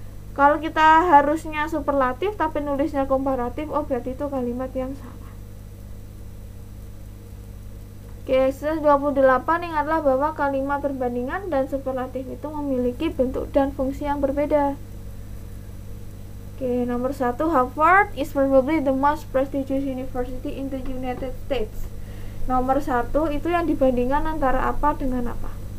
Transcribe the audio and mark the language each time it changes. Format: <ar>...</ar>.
<id>Kalau kita harusnya superlatif tapi nulisnya komparatif, oh berarti itu kalimat yang salah. Oke, exercise 28, ingatlah bahwa kalimat perbandingan dan superlatif itu memiliki bentuk dan fungsi yang berbeda.</id> <en>Oke, nomor 1, Harvard is probably the most prestigious university in the United States.</en> <id>Nomor 1 itu yang dibandingkan antara apa dengan apa?</id>